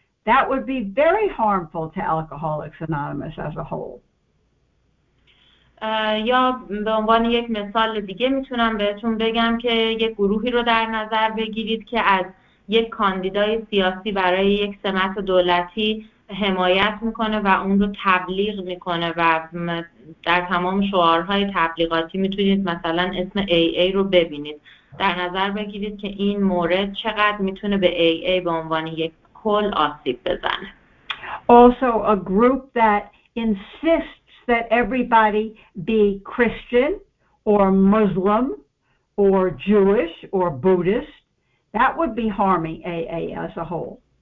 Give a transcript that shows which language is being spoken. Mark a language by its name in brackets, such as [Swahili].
[English] That would be very harmful to Alcoholics Anonymous as a whole. [Persian] یا به عنوان یک مثال دیگه میتونم بهتون بگم که یک گروهی رو در نظر بگیرید که از یک کاندیدای سیاسی برای یک سمت دولتی حمایت میکنه و اون رو تبلیغ میکنه و در تمام شعارهای تبلیغاتی میتونید مثلا اسم AA رو ببینید. در نظر بگیرید که این مورد چقدر میتونه به AA به عنوان یک کل آسیب بزنه. [English] Also a group that insists that everybody be Christian or Muslim or Jewish or Buddhist, that would be harming AA as a whole.